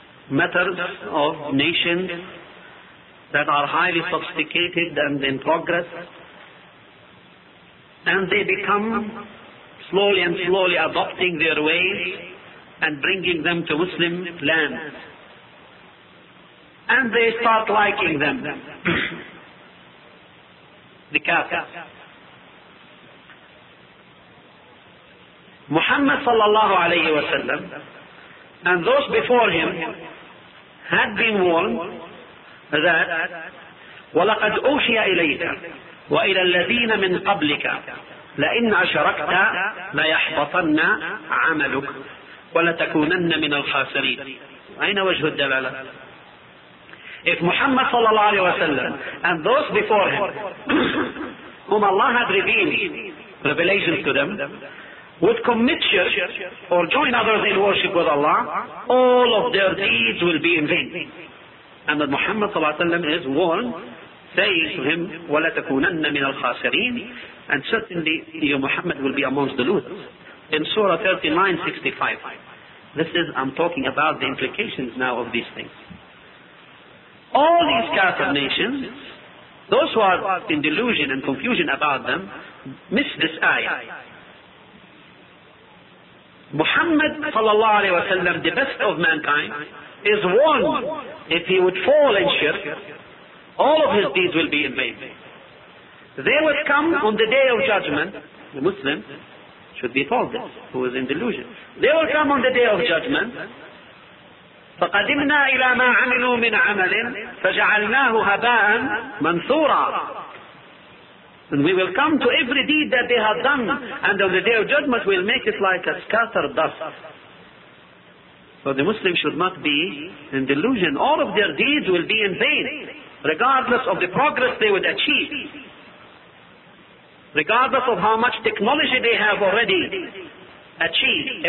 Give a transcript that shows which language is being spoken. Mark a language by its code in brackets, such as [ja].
[en] matters of nations that are highly sophisticated and in progress, and they become slowly and slowly adopting their ways and bringing them to Muslim lands. And they start liking them, the Kafirs. Muhammad sallallahu alayhi wa sallam and those before him had been warned that [ar] وَلَقَدْ أُوحِيَ إِلَيْكَ وَإِلَى الَّذِينَ مِنْ قَبْلِكَ لَإِنْ أَشْرَكْتَ لَيَحْبَطَنَّ عَمَلُكَ وَلَتَكُونَنَّ مِنَ الْخَاسِرِينَ. أين وجه الدلالة؟ [en] If Muhammad sallallahu alayhi wa sallam and those before him whom Allah had revelation to them would commit shirk or join others in worship with Allah, all of their deeds will be in vain. And that Muhammad sallallahu alayhi wa sallam is warned, saying to him, [ar] وَلَتَكُونَنَّ مِنَ الْخَاسِرِينَ, [en] and certainly your Muhammad will be amongst the losers. In Surah 39:65, this is, I'm talking about the implications now of these things. All these Kafir nations, those who are in delusion and confusion about them, miss this ayah. Muhammad sallallahu alayhi wa sallam, the best of mankind, is warned if he would fall in shirk, all of his deeds will be in vain. They would come on the day of judgment, the Muslim should be told this, who is in delusion. They will come on the day of judgment, [ar] فَقَدِمْنَا إِلَى مَا عَمِلُوا مِنْ عَمَلٍ فَجَعَلْنَاهُ هَبَاءً مَنْثُورًا. [en] And we will come to every deed that they have done, and on the day of judgment we will make it like a scattered dust. So the Muslim should not be in delusion. All of their deeds will be in vain, regardless of the progress they would achieve, regardless of how much technology they have already achieved.